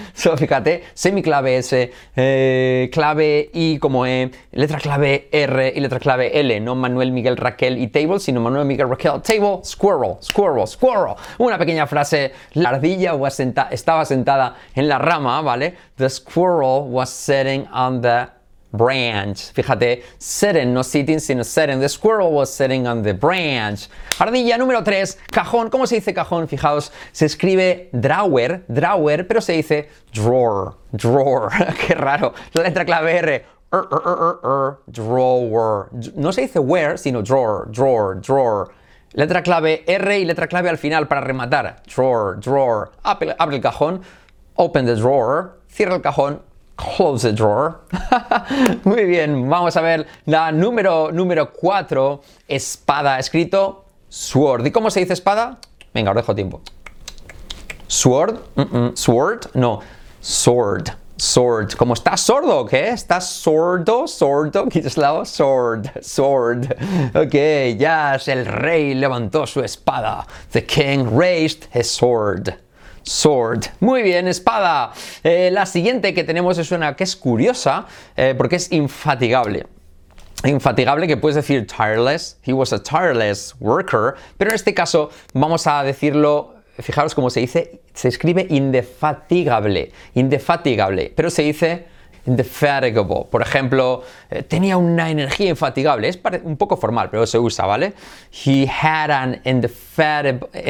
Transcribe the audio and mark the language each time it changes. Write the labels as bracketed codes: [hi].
[es] So, fíjate, semiclave S, clave I como E, letra clave R y letra clave L, no Manuel Miguel Raquel y table, sino Manuel Miguel Raquel table, squirrel, squirrel, squirrel. Una pequeña frase, la ardilla estaba sentada en la rama, ¿vale? [en] The squirrel was sitting on the branch. [es] Fíjate, sitting, no sitting, sino sitting. [en] The squirrel was sitting on the branch. [es] Ardilla número 3, cajón. ¿Cómo se dice cajón? Fijaos, se escribe drawer, pero se dice drawer. Qué raro. La letra clave R. Drawer. No se dice where, sino drawer. Letra clave R y letra clave al final para rematar. Drawer. Abre el cajón. [en] Open the drawer. [es] Cierra el cajón. [en] Close the drawer. [es] Muy bien, vamos a ver la número 4, espada, escrito sword. ¿Y cómo se dice espada? Venga, os dejo tiempo. Sword, sword, no, sword, sword. ¿Cómo estás sordo o qué? ¿Estás sordo? ¿Qué es la sword? Ok, ya, yes, el rey levantó su espada. [en] The king raised his sword. [es] Sword. Muy bien, espada. La siguiente que tenemos es una que es curiosa, porque es infatigable. Infatigable, que puedes decir tireless. [en] He was a tireless worker. [es] Pero en este caso vamos a decirlo, fijaros cómo se dice, se escribe indefatigable. Indefatigable. Pero se dice indefatigable. Por ejemplo, tenía una energía infatigable. Es un poco formal, pero se usa, ¿vale? [en] He had an indefatigable.